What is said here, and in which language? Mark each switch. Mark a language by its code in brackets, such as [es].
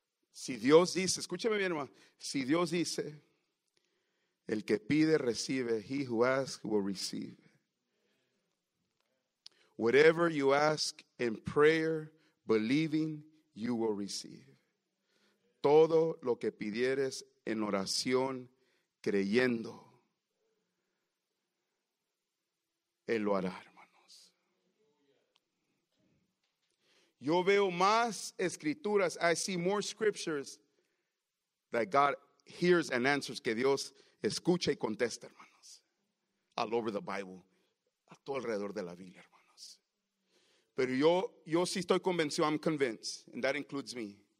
[es] Si Dios dice, escúcheme bien, hermano. Si Dios dice, el que pide, recibe. [en] He who asks will receive. Whatever you ask in prayer, believing, you will receive. [es] Todo lo que pidieres en oración, creyendo, Él lo hará, hermanos. Yo veo más escrituras, [en] I see more scriptures that God hears and answers, [es] que Dios escucha y contesta, hermanos. [en] All over the Bible, [es] a todo alrededor de la Biblia, hermanos. Pero yo sí estoy convencido, [en] I'm convinced, and that includes me.